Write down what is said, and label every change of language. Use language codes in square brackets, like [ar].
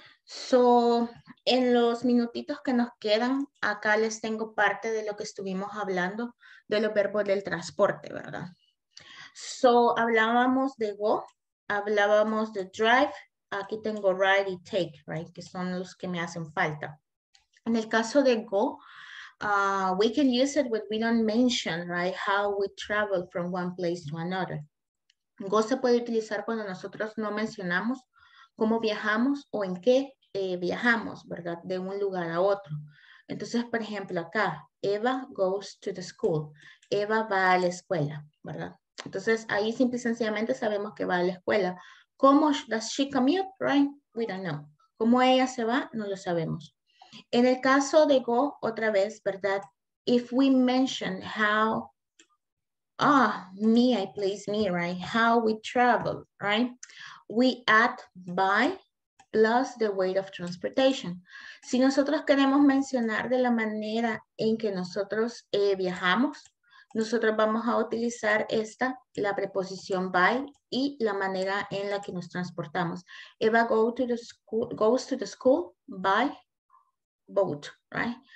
[es] So, en los minutitos que nos quedan, acá les tengo parte de lo que estuvimos hablando de los verbos del transporte, ¿verdad? So, hablábamos de go, hablábamos de drive, aquí tengo ride y take, [en] right, [es] que son los que me hacen falta. En el caso de go, [en] we can use it when we don't mention, right, how we travel from one place to another. [es] Go se puede utilizar cuando nosotros no mencionamos cómo viajamos o en qué viajamos, ¿verdad? De un lugar a otro. Entonces, por ejemplo, acá, [en] Eva goes to the school. [es] Eva va a la escuela, ¿verdad? Entonces, ahí simple y sencillamente sabemos que va a la escuela. ¿Cómo [en] does she commute, right? We don't know. [es] ¿Cómo ella se va? No lo sabemos. En el caso de go, otra vez, ¿verdad? [en] If we mention how, how we travel, right? We add by plus the weight of transportation. [es] Si nosotros queremos mencionar de la manera en que nosotros viajamos, nosotros vamos a utilizar esta, la preposición by y la manera en la que nos transportamos. [en] Eva goes to the school by boat, right?